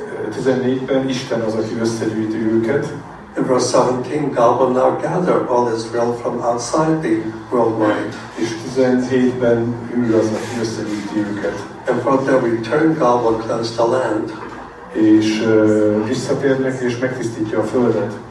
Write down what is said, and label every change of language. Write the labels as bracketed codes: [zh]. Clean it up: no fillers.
[hu] 14-ben Isten az, aki összegyűjti őket. [en] In verse 17, God will now gather all Israel from outside the worldwide. [hu] És 17-ben ő az, aki összegyűjti őket. [en] And for their return, God will cleanse the land. [hu] És visszatérnek és megtisztítja a földet.